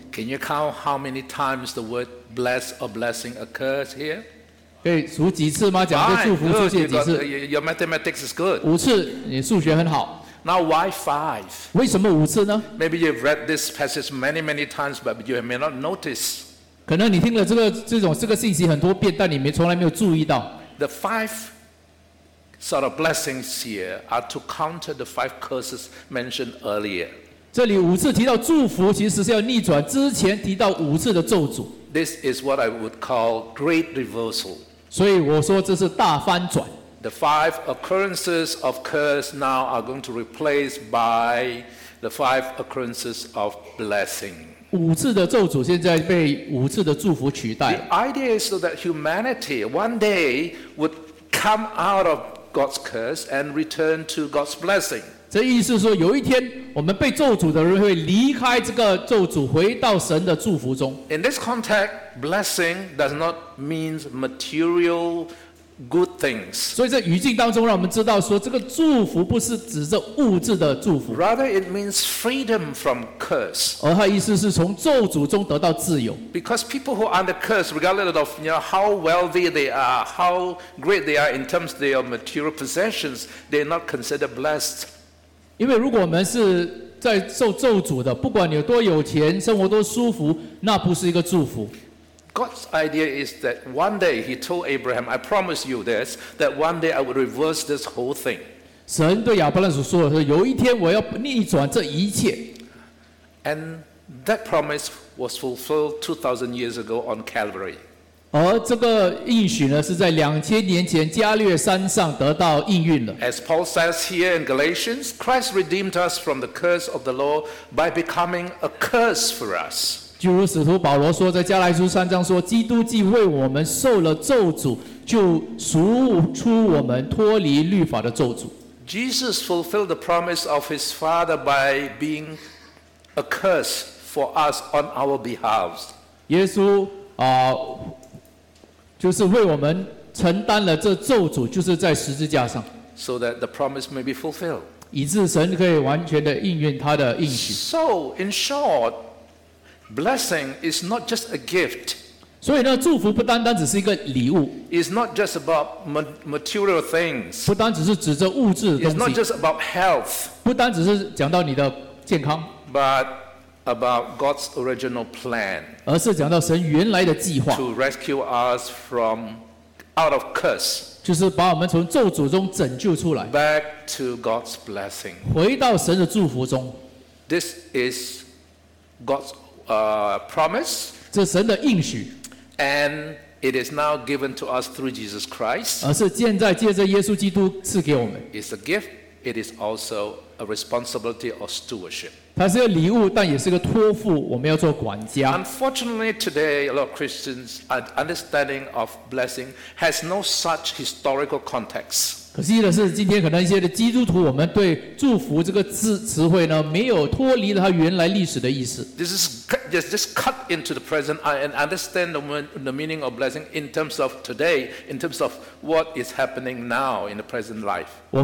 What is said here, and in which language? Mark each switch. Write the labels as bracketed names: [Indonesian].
[English] Can you count how many times the word bless or blessing occurs here? [Chinese] 可以数几次吗？讲这祝福出现几次？ [English] Your mathematics is good. [Chinese] 五次，你数学很好。 [English] Now why 5? [Chinese] 为什么五次呢？ [English] Maybe you've read this passage many, many times, but you may not notice. [Chinese] 可能你听了这个信息很多遍，但你从来没有注意到。 [English] The five sort of blessings here are to counter the five curses mentioned earlier. [Chinese] 这里五次提到祝福，其实是要逆转之前提到五次的咒诅。 [English] This is what I would call great reversal. [Chinese] 所以我说这是大翻转。 [English] The five occurrences of curse now are going to replace by the five occurrences of blessing. [Chinese] 五次的咒诅现在被五次的祝福取代。 [English] The idea is so that humanity one day would come out of God's curse and return to God's blessing. [Chinese] 这意思是说，有一天我们被咒诅的人会离开这个咒诅，回到神的祝福中。 [English] In this context, blessing does not mean material good things. [Chinese] 所以在语境当中，让我们知道说，这个祝福不是指着物质的祝福。 [English] Rather, it means freedom from curse. [Chinese] 而它意思是从咒诅中得到自由。 [English] Because people who are under curse, regardless of how wealthy they are, how great they are in terms of their material possessions, they are not considered blessed. [Chinese] 因为如果我们是在受咒诅的，不管你有多有钱，生活多舒服，那不是一个祝福。 [English] God's idea is that one day he told Abraham, I promise you this, that one day I would reverse this whole thing. [Chinese] 神对亚伯拉罕说的是，有一天我要逆转这一切。 [English] And that promise was fulfilled 2,000 years ago on Calvary. [Chinese] 而这个应许呢，是在2000年前加略山上得到应允的。 [English] As Paul says here in Galatians, Christ redeemed us from the curse of the law by becoming a curse for us. [Chinese] 就如使徒保罗说，在加拉书三章说，基督既为我们受了咒诅，就赎出我们脱离律法的咒诅。 [English] Jesus fulfilled the promise of his Father by being a curse for us on our behalf. [Chinese] 耶稣啊，就是为我们承担了这咒诅，就是在十字架上。 [English] So that the promise may be fulfilled. [Chinese] 以致神可以完全的应允他的应许。 [English] So in short. Blessing is not just a gift. [Chinese] 所以呢，祝福不单单只是一个礼物。 [English] It's not just about material things. [Chinese] 不单只是指着物质的东西。 [English] It's not just about health. [Chinese] 不单只是讲到你的健康。 [English] But about God's original plan. [Chinese] 而是讲到神原来的计划。 [English] To rescue us from out of curse. [Chinese] 就是把我们从咒诅中拯救出来。 [English] Back to God's blessing. [Chinese] 回到神的祝福中。 [English] This is God's promise. [Chinese] 这神的应许, [English] and it is now given to us through Jesus Christ. [Chinese] 而是现在借着耶稣基督赐给我们, [English] it's a gift, it is also a responsibility of stewardship. [Chinese] 它是个礼物, 但也是个托付, 我们要做管家。 [English] Unfortunately, today, a lot of Christians' understanding of blessing has no such historical context. [Chinese] 可惜的是今天可能一些的基督徒我们对祝福这个词汇呢没有脱离了它原来历史的意思。 [English] This is just cut into the present and understand the meaning of blessing in terms of today, in terms of what is happening now in the present life.